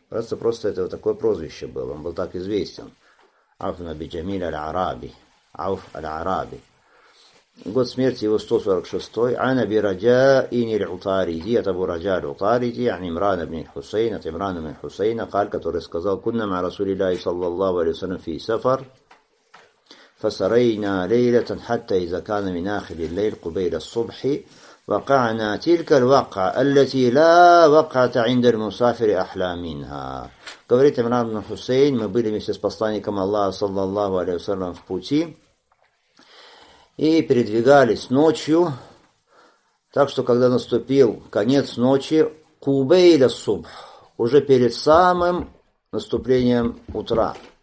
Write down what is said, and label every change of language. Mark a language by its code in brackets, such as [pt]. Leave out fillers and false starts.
[ru] Просто это вот такое прозвище было. Он был так известен. Ауф ибн Аби Джамиля, Аль-Араби. Ауф Аль-Араби. Год смерти его 146-й. [ar] Ана би раджа ини ль-Утариди. [ru] Это был раджа ль-Утариди. [ar] Ан Имран ибн Хусейн. [ru] От Имрана ибн Хусейна, каль, который сказал, [ar] «Кунна ма Расули Ллахи саллаллаху алейхи ва саллям фи сафар». فسرينا ليلة حتى إذا كان من آخر الليل قبيل الصبح وقعنا تلك الواقعة التي لا وقعة عند المسافر أحلى منها. [ru] Говорит Имран ибн Хусейн, мы были вместе с посланником Аллаха саллаллаху алейхи ва саллям в пути и передвигались ночью, так что когда наступил конец ночи, [ar] قبيل الصبح, [ru] уже перед самым наступлением утра.